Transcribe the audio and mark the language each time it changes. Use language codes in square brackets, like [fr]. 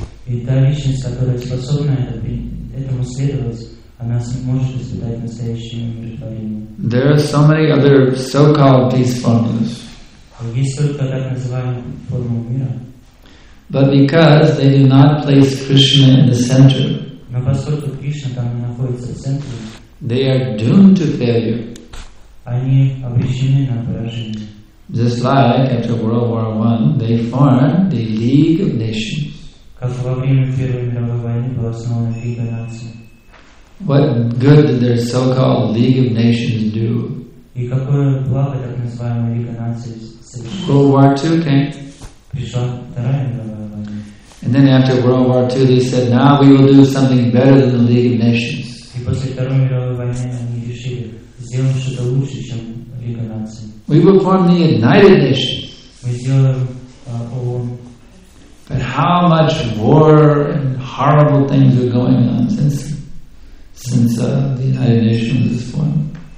[ru] И та личность, которая способна этому следовать, она сможет испытать настоящее умиротворение. [en] There are so many other so-called peace formulas. [ru] Есть только так называемые формы мира. [en] But because they do not place Krishna in the center, [ru] но поскольку Кришна там не находится в центре, [en] they are doomed to failure. [ru] Они обречены на поражение. [en] Just like after World War I, they formed the League of Nations. [ru] Как во время Первой мировой войны была основана Лига наций. [en] What good did their so-called League of Nations do? [ru] И какое благо так называемая Лига наций совершила? [en] World War II came. [ru] Пришла Вторая мировая война. [en] And then after World War II, they said, "Now we will do something better than the League of Nations." [ru] И после Второй мировой войны они решили сделать что-то лучше, чем Лига наций. [en] We will form the United Nations. [ru] Мы сделаем ООН. [en] But how much war and horrible things are going on since the United Nations was formed?